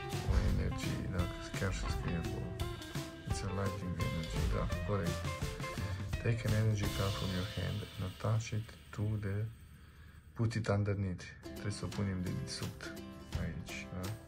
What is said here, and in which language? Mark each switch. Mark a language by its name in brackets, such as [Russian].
[Romanian] O energie, dacă chiar se scrie acolo. [English] It's a lightning energy, [Romanian] da, corect. [English] Take an energy card from your hand and attach it to the... Put it underneath. [Romanian] Trebuie să o punem de dedesubt aici, da?